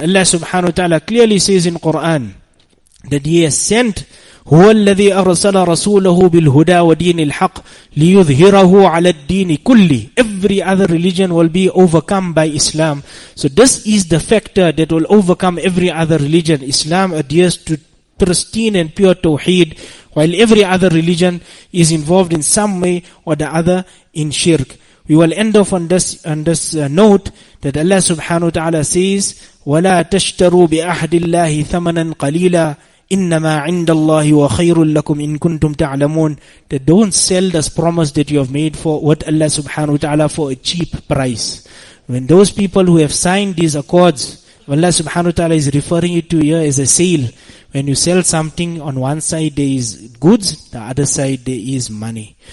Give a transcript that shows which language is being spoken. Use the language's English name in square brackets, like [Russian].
[English] Allah subhanahu wa ta'ala clearly says in Quran that He has sent [Arabic] هُوَ الَّذِي أَرْسَلَ رَسُولَهُ بِالْهُدَى وَدِينِ الْحَقِّ لِيُظْهِرَهُ عَلَى الدِّينِ كُلِّ. [English] Every other religion will be overcome by Islam. So this is the factor that will overcome every other religion. Islam adheres to pristine and pure tawheed, while every other religion is involved in some way or the other in shirk. We will end off on this note that Allah subhanahu wa ta'ala says, [Arabic] وَلَا تَشْتَرُوا بِأَحْدِ اللَّهِ ثَمَنًا قَلِيلًا إِنَّمَا عِنْدَ اللَّهِ وَخَيْرٌ لَكُمْ إِن كُنْتُمْ تَعْلَمُونَ. [English] That don't sell this promise that you have made for what Allah subhanahu wa ta'ala for a cheap price. When those people who have signed these accords, Allah subhanahu wa ta'ala is referring it to here as a sale. When you sell something, on one side there is goods, the other side there is money.